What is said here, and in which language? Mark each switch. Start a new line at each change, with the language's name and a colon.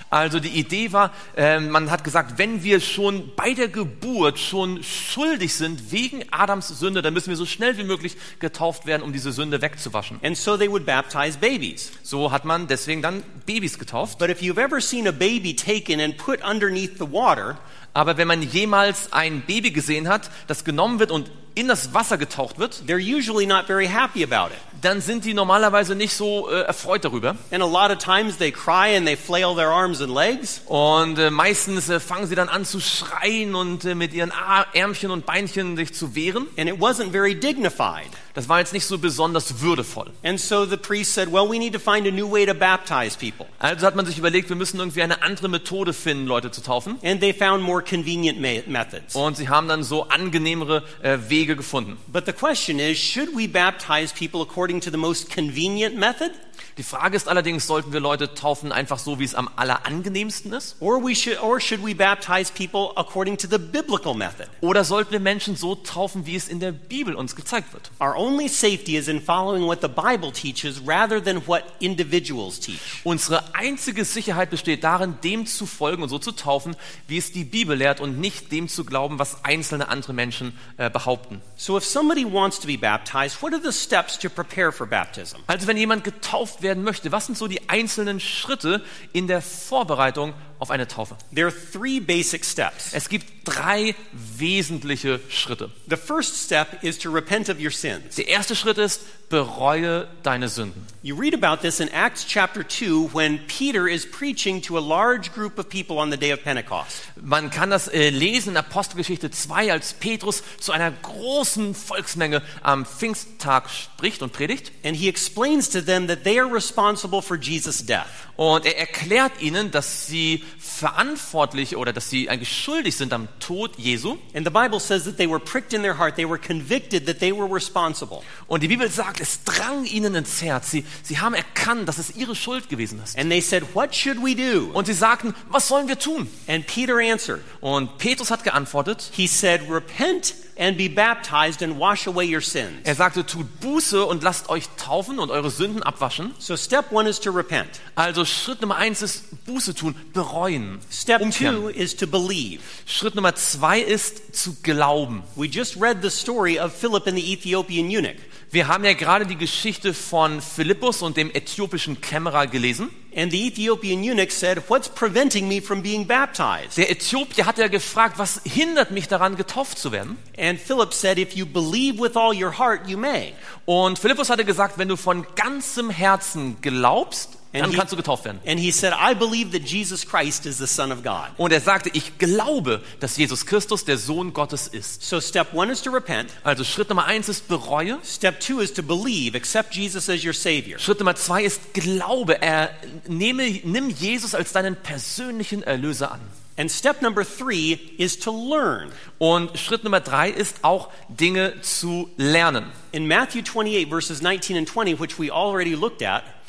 German: Also die Idee war, man hat gesagt, wenn wir schon bei der Geburt schon schuldig sind wegen Adams Sünde, dann müssen wir so schnell wie möglich getauft werden, um diese Sünde wegzuwaschen.
English: And so they would baptize babies.
German: So hat man deswegen dann Babys getauft.
English: But if you've ever seen a baby taken and put underneath the water,
German: aber wenn man jemals ein Baby gesehen hat, das genommen wird und in das Wasser getaucht wird,
English: they're usually not very happy about it.
German: Dann sind die normalerweise nicht so erfreut darüber.
English: And a lot of times they cry and they flail their arms and legs.
German: Und meistens fangen sie dann an zu schreien und mit ihren Ärmchen und Beinchen sich zu wehren.
English: And it wasn't very dignified.
German: Das war jetzt nicht so besonders würdevoll.
English: And so the priest said, well, we need to find a new way to baptize people.
German: Also hat man sich überlegt, wir müssen irgendwie eine andere Methode finden, Leute zu taufen.
English: And they found more convenient methods.
German: Und sie haben dann so angenehmere Wege gefunden.
English: But the question is, should we baptize people according to the most convenient method?
German: Die Frage ist allerdings, sollten wir Leute taufen einfach so, wie es am allerangenehmsten ist?
English: Or should we baptize people according to the biblical method?
German: Oder sollten wir Menschen so taufen, wie es in der Bibel uns gezeigt wird?
English: Our only safety is in following what the Bible teaches rather than what individuals teach.
German: Unsere einzige Sicherheit besteht darin, dem zu folgen und so zu taufen, wie es die Bibel lehrt und nicht dem zu glauben, was einzelne andere Menschen behaupten.
English: So if somebody wants to be baptized, what are the steps to prepare for baptism?
German: Also wenn jemand getauft werden möchte, was sind so die einzelnen Schritte in der Vorbereitung auf eine Taufe?
English: There are three basic steps.
German: Es gibt drei wesentliche Schritte.
English: The first step is to repent of your sins.
German: Der erste Schritt ist, bereue deine Sünden.
English: You read about this in Acts chapter 2 when Peter is preaching to a large group of people on the day of Pentecost.
German: Man kann das lesen in Apostelgeschichte 2, als Petrus zu einer großen Volksmenge am Pfingsttag spricht und predigt.
English: And he explains to them that they are responsible for Jesus' death.
German: Und er erklärt ihnen, dass sie verantwortlich oder dass sie eigentlich schuldig sind am Tod Jesu.
English: And the Bible says that they were pricked in their heart, they were convicted that they were responsible.
German: Und die Bibel sagt, es drang ihnen ins Herz. Sie haben erkannt, dass es ihre Schuld gewesen ist.
English: And they said, what should we do?
German: Und sie sagten, was sollen wir tun?
English: And Peter answered.
German: Und Petrus hat geantwortet.
English: He said, repent and be baptized and wash away your sins.
German: Er sagte, tut Buße und lasst euch taufen und eure Sünden abwaschen.
English: So step one is to repent.
German: Also Schritt Nummer eins ist Buße tun, bereuen.
English: Step two is to believe.
German: Schritt Nummer zwei ist zu glauben.
English: We just read the story of Philip and the Ethiopian eunuch.
German: Wir haben ja gerade die Geschichte von Philippus und dem äthiopischen Kämmerer gelesen.
English: And the Ethiopian eunuch said, "What's preventing me from being baptized?"
German: Der Äthiopier hat ja gefragt, was hindert mich daran, getauft zu werden?
English: And Philip said, "If you believe with all your heart, you may."
German: Und Philippus hatte gesagt, wenn du von ganzem Herzen glaubst, dann kannst du getauft werden.
English: And he said, I believe that Jesus Christ is the Son of God.
German: Und er sagte, ich glaube, dass Jesus Christus der Sohn Gottes ist.
English: So step one is to repent.
German: Also Schritt Nummer eins ist bereue.
English: Step two is to believe, accept Jesus as your Savior.
German: Schritt Nummer zwei ist glaube. Nimm Jesus als deinen persönlichen Erlöser an.
English: And step number three is to learn.
German: Und Schritt Nummer drei ist auch Dinge zu lernen.
English: In Matthew 28 verses 19 and 20, which we already looked at.